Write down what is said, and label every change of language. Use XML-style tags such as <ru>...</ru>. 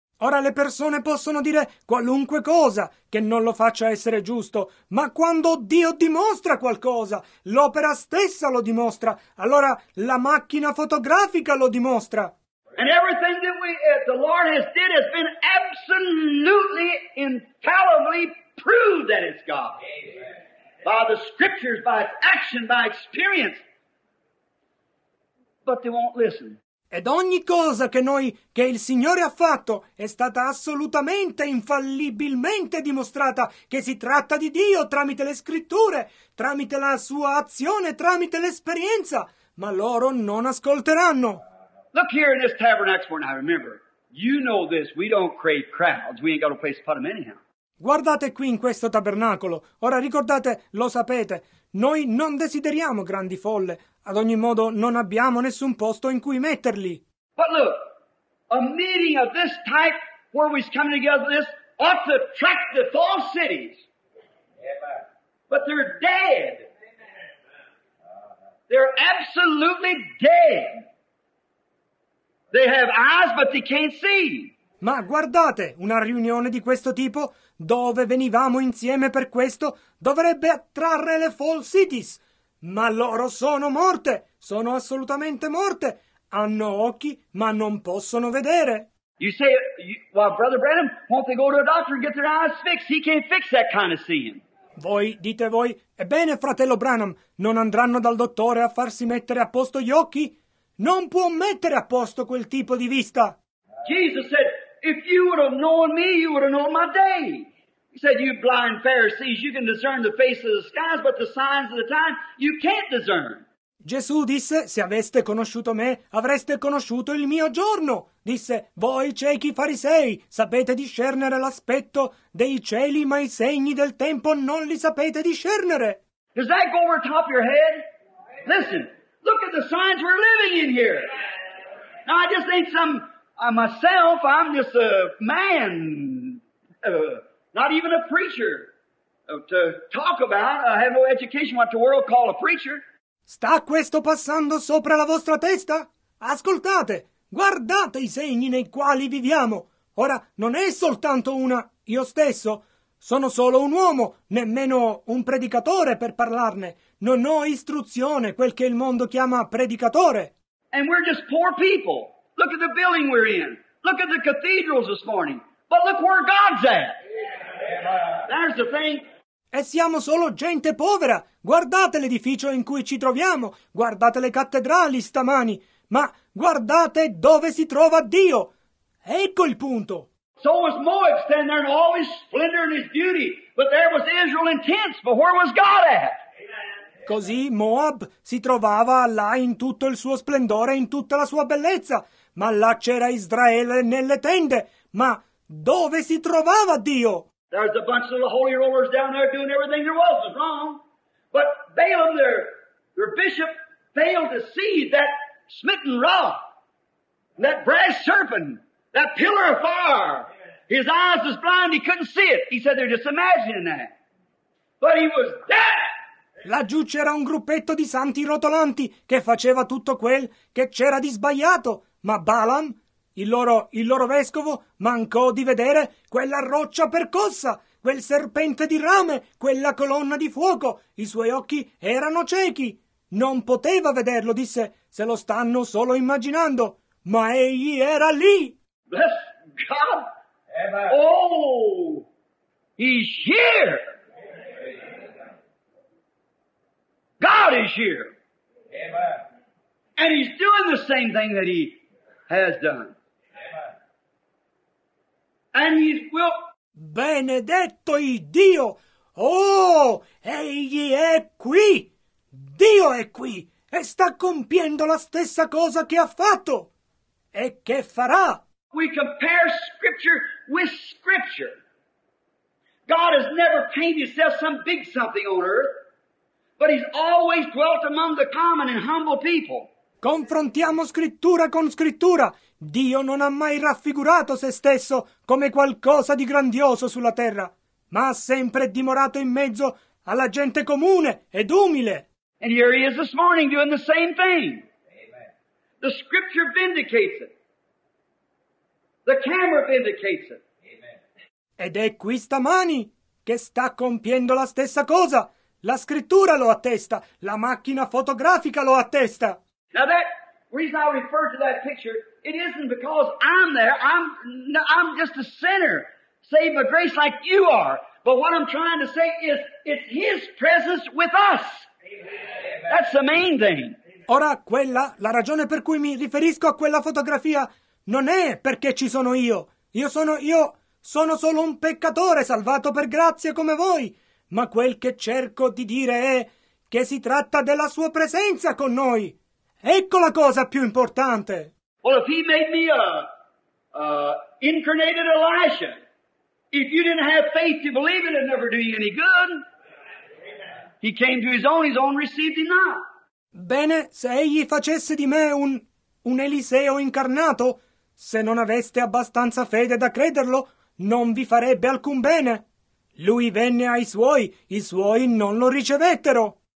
<it>Ora le persone possono dire qualunque cosa che non lo faccia essere giusto, ma quando Dio dimostra qualcosa, l'opera stessa lo dimostra, allora la macchina fotografica lo dimostra.</it> <en>And everything that the Lord has did has been absolutely infallibly proved that it's God. Amen. By the scriptures, by its action, by experience. But they won't listen.</en> <it>Ed ogni cosa che il Signore ha fatto è stata assolutamente, infallibilmente dimostrata che si tratta di Dio tramite le scritture, tramite la sua azione, tramite l'esperienza. Ma loro non ascolteranno.</it> <en>Look here in this tabernacle, now remember, you know this, we don't crave crowds, we ain't got a place to put them anyhow.</en> <it>Guardate qui in questo tabernacolo. Ora ricordate, lo sapete, noi non desideriamo grandi folle. Ad ogni modo, non abbiamo nessun posto in cui metterli.</it> <en>But look, a meeting of this type where we're coming together this ought to attract the false cities. But they're dead. They're absolutely dead. They have eyes, but they can't see.</en> <it>Ma guardate, una riunione di questo tipo, dove venivamo insieme per questo, dovrebbe attrarre le</it> <en>fall cities.</en> <it>Ma loro sono morte, sono assolutamente morte. Hanno occhi, ma non possono vedere.</it> <en>You say, well, Brother Branham, won't they go to a doctor and get their eyes fixed? He can't fix that kind of seeing.</en> <it>Voi, dite voi, ebbene, fratello Branham, non andranno dal dottore a farsi mettere a posto gli occhi? Non può mettere a posto quel tipo di vista.</it> <en>Jesus said, if you would have known me, you would have known my day. He said, you blind Pharisees, you can discern the face of the skies, but the signs of the time, you can't discern.</en> <it>Gesù disse, se aveste conosciuto me, avreste conosciuto il mio giorno. Disse, voi ciechi farisei, sapete discernere l'aspetto dei cieli, ma i segni del tempo non li sapete discernere.</it> <en>Does that go over the top of your head? Listen, look at the signs we're living in here. Now I just ain't some, myself, I'm just a man, not even a preacher to talk about. I have no education what the world call a preacher.</en> <it>Sta questo passando sopra la vostra testa? Ascoltate, guardate i segni nei quali viviamo. Ora, non è soltanto una io stesso. Sono solo un uomo, nemmeno un predicatore per parlarne. Non ho istruzione, quel che il mondo chiama predicatore.</it> <en>And we're just poor people. Look at the building we're in. Look at the cathedrals this morning. But look where God's at. There's the thing.</en> <it>E siamo solo gente povera. Guardate l'edificio in cui ci troviamo. Guardate le cattedrali stamani. Ma guardate dove si trova Dio. Ecco il punto.</it> <en>So was Moab standing there in all his splendor and his beauty. But there was Israel in tents. But where was God at?</en> <it>Così Moab si trovava là in tutto il suo splendore, in tutta la sua bellezza. Ma là c'era Israele nelle tende. Ma dove si trovava Dio?</it> <en>There's a bunch of the holy rollers down there doing everything there was wrong. But Balaam, their bishop, failed to see that smitten rock, that brass serpent, that pillar of fire. His eyes was blind, he couldn't see it. He said, they're just imagining that. But he was dead.</en> <it>Laggiù c'era un gruppetto di santi rotolanti che faceva tutto quel che c'era di sbagliato. Ma Balaam, il loro vescovo, mancò di vedere quella roccia percossa, quel serpente di rame, quella colonna di fuoco. I suoi occhi erano ciechi. Non poteva vederlo, disse, se lo stanno solo immaginando. Ma egli era lì.</it> <en>Bless God! Oh! He's here! God is here! And he's doing the same thing that he has done. And he will.</en> <it>Benedetto Dio! Oh, egli è qui! Dio è qui! E sta compiendo la stessa cosa che ha fatto! E che farà?</it> <en>We compare scripture with scripture. God has never painted himself some big something on earth, but he's always dwelt among the common and humble people.</en> <it>Confrontiamo scrittura con scrittura. Dio non ha mai raffigurato se stesso come qualcosa di grandioso sulla terra, ma ha sempre dimorato in mezzo alla gente comune ed umile.</it> <en>And here he is this morning doing the same thing. Amen. The scripture vindicates it. The camera vindicates it. Amen.</en> <it>Ed è qui stamani che sta compiendo la stessa cosa. La scrittura lo attesta, la macchina fotografica lo attesta.</it> <en>Now that reason I refer to that picture, it isn't because I'm there. I'm just a sinner, saved by grace like you are. But what I'm trying to say is, it's His presence with us. Amen. That's the main thing.</en> <it>Ora quella, la ragione per cui mi riferisco a quella fotografia, non è perché ci sono io. Io sono solo un peccatore salvato per grazia come voi. Ma quel che cerco di dire è che si tratta della Sua presenza con noi. Ecco la cosa più importante.</it> <en>Well, if he made me a incarnated Elisha, If you didn't have faith to believe it, it'd never do you any good. He came to his own received him not.</en> <it>Bene, se egli facesse di me un Eliseo incarnato, se non aveste abbastanza fede da crederlo, non vi farebbe alcun bene. Lui venne ai suoi, i suoi non lo ricevettero.</it>